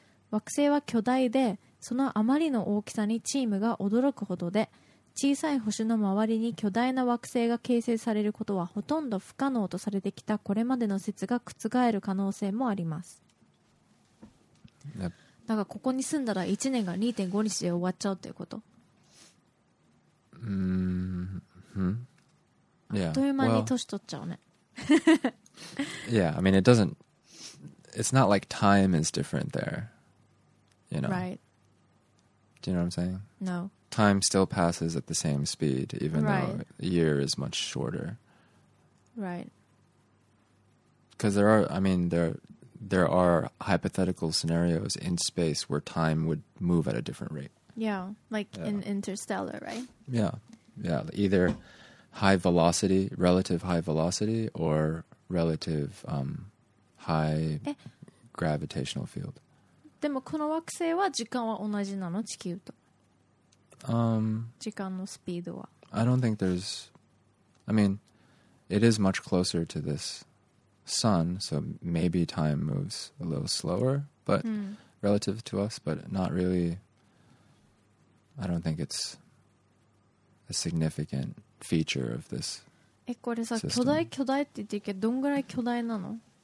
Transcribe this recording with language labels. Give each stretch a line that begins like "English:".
Japanese: 惑星は巨大で、そのあまりの大きさにチームが驚くほどで、小さい星の周りに巨大な惑星が形成されることはほとんど不可能とされてきたこれまでの説が覆る可能性もあります。
English: Yep.
Japanese: だからここに住んだら1年が 2.5 日で終わっちゃうということ。
English: Yeah.
Japanese: あっという間に年取っちゃうね。
English: Well, yeah, I mean, it's not like time is different there. You know? Right. Do you know what I'm saying? No. Time still passes at the same speed, even though a year is much shorter. Right. Because there are hypothetical scenarios in space where time would move at a different rate. Yeah, like in Interstellar, right? Yeah, yeah. Either high velocity, relative high velocity, or relative high gravitational field.
Japanese: でもこの惑星は時間は同じなの？地球と。時間のスピードは
English: I don't think there's I mean it is much closer to this sun so maybe time moves a little slower but relative to us but not really I don't think it's a significant feature of this
Japanese: これさ巨大巨大って言ってるけどどんぐらい巨大なの